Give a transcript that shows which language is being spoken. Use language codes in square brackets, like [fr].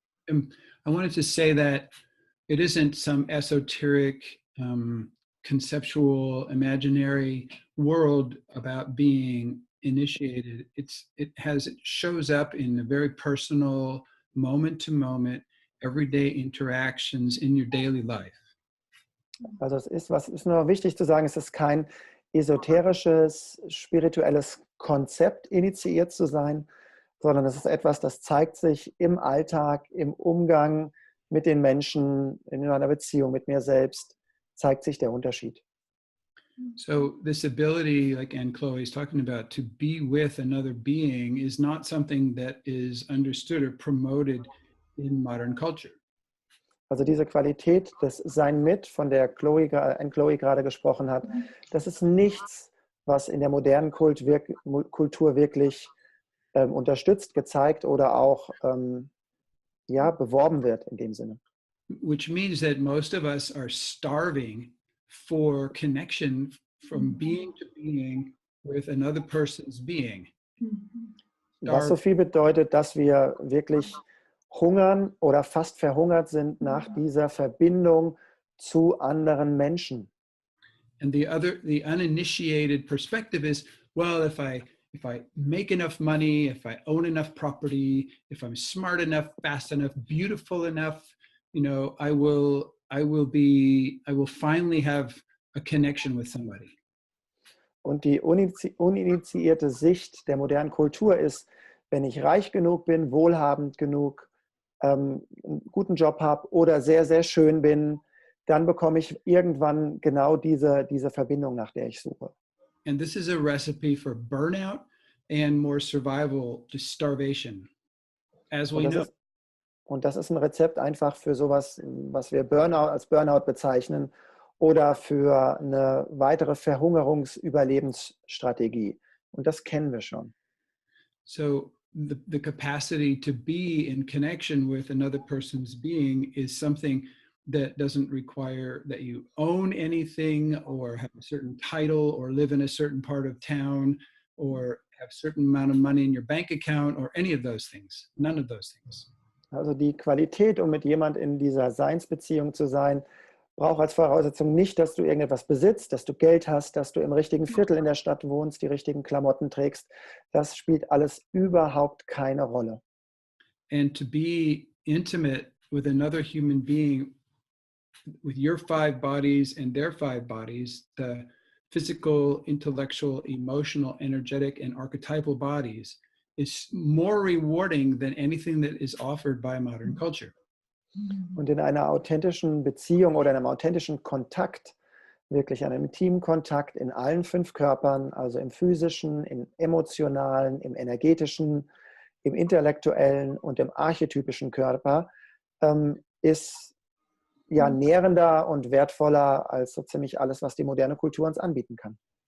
[en] I wanted to say that it isn't some esoteric, conceptual, imaginary world about being initiated. It shows up in a very personal, moment to moment, everyday interactions in your daily life. [de] Also es ist nur wichtig zu sagen, es ist kein esoterisches, spirituelles Konzept, initiiert zu sein, sondern es ist etwas, das zeigt sich im Alltag, im Umgang mit den Menschen, in einer Beziehung mit mir selbst, zeigt sich der Unterschied. [en] So this ability, like Anne Chloe is talking about, to be with another being is not something that is understood or promoted in modern culture. [de] Also diese Qualität, das Sein mit, von der Anne Chloe gerade gesprochen hat, das ist nichts, was in der modernen Kultur wirklich unterstützt, gezeigt oder auch beworben wird in dem Sinne. [en] Which means that most of us are starving for connection from being to being with another person's being. [de] Was so viel bedeutet, dass wir wirklich hungern oder fast verhungert sind nach dieser Verbindung zu anderen Menschen. [en] And the uninitiated perspective is, well, if I make enough money, if I own enough property, if I'm smart enough, fast enough, beautiful enough, you know, I will finally have a connection with somebody. [de] Und die uninitiierte Sicht der modernen Kultur ist, wenn ich reich genug bin, wohlhabend genug, einen guten Job habe oder sehr, sehr schön bin, dann bekomme ich irgendwann genau diese Verbindung, nach der ich suche. [en] And this is a recipe for burnout and more survival, to starvation, as we know. [de] Und das ist ein Rezept einfach für sowas, was wir als Burnout bezeichnen, oder für eine weitere Verhungerungsüberlebensstrategie. Und das kennen wir schon. [en] So the capacity to be in connection with another person's being is something that doesn't require that you own anything or have a certain title or live in a certain part of town or have a certain amount of money in your bank account or any of those things. None of those things. [de] Also die Qualität, um mit jemand in dieser Seinsbeziehung zu sein, braucht als Voraussetzung nicht, dass du irgendetwas besitzt, dass du Geld hast, dass du im richtigen Viertel in der Stadt wohnst, die richtigen Klamotten trägst. Das spielt alles überhaupt keine Rolle. [en] And to be intimate with another human being, with your 5 bodies and their 5 bodies, the physical, intellectual, emotional, energetic and archetypal bodies, is more rewarding than anything that is offered by modern culture. [de] Und in einer authentischen Beziehung oder in einem authentischen Kontakt, wirklich einem intimen Kontakt in allen fünf Körpern, also im physischen, im emotionalen, im energetischen, im intellektuellen und im archetypischen Körper, ist ja nährender und wertvoller als so ziemlich alles, was die moderne Kultur uns anbieten kann.